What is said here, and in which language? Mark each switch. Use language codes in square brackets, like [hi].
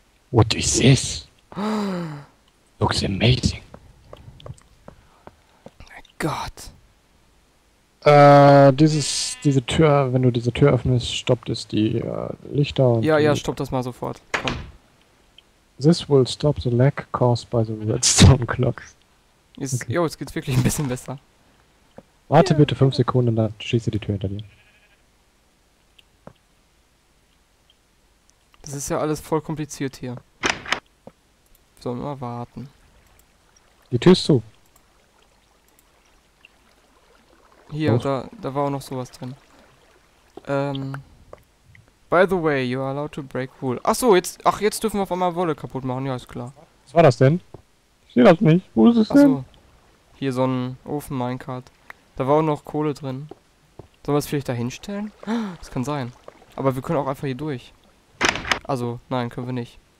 [en] What is this? Looks amazing. [de] Gott. Diese Tür, wenn du diese Tür öffnest, stoppt es die Lichter und Ja, die. stopp das mal sofort. Komm. [en] This will stop the lag caused by the redstone clocks. [de] Jetzt, Okay. jo, jetzt geht's wirklich ein bisschen besser. Warte bitte 5 Sekunden, dann schließe die Tür hinter dir. Das ist ja alles voll kompliziert hier. Sollen wir mal warten. Die Tür ist zu. Hier, Hoch. da war auch noch sowas drin. [en] By the way, you are allowed to break rule. [de] Ach so, jetzt dürfen wir auf einmal Wolle kaputt machen. Ja, ist klar. Was war das denn? Ich sehe das nicht. Wo ist es Ach so. denn? Hier so ein Ofen, Minecart. Da war auch noch Kohle drin. Sollen wir es vielleicht da hinstellen? Das kann sein. Aber wir können auch einfach hier durch. Also, nein, können wir nicht.